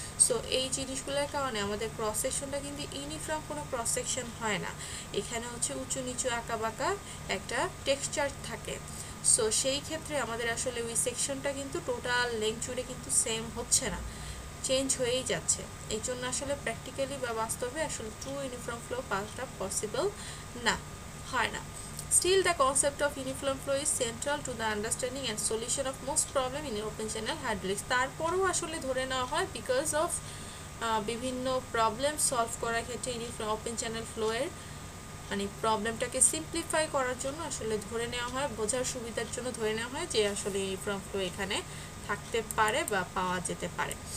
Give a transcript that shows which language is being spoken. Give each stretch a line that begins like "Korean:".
Bangla: So এই জিনিসগুলোর কারণে আমাদের ক্রস সেকশনটা কিন্তু ইউনিফর্ম কোনো ক্রস সেকশন হয় না, এখানে হচ্ছে উঁচু নিচু আঁকা বাঁকা একটা টেক্সচার থাকে। সো সেই ক্ষেত্রে আমাদের আসলে ওই সেকশনটা কিন্তু টোটাল লেন্থ জুড়ে কিন্তু সেম হচ্ছে না, চেঞ্জ হয়েই যাচ্ছে। এই জন্য আসলে প্র্যাকটিক্যালি বা বাস্তবে আসলে ট্রু ইউনিফর্ম ফ্লো পাওয়াটা পসিবল না, হয় না।
English: Still, the concept of uniform flow is central to the understanding and solution of most problem in open channel hydraulics.
Bangla: তারপরেও আসলে ধরে নেওয়া হয় বিকজ অফ বিভিন্ন প্রবলেম সলভ করার ক্ষেত্রে ইউনিফর্ম ওপেন চ্যানেল ফ্লোয়ের মানে প্রবলেমটাকে সিম্পলিফাই করার জন্য আসলে ধরে নেওয়া হয়, বোঝার সুবিধার জন্য ধরে নেওয়া হয় যে আসলে ইউনিফর্ম ফ্লো এখানে থাকতে পারে বা পাওয়া যেতে পারে।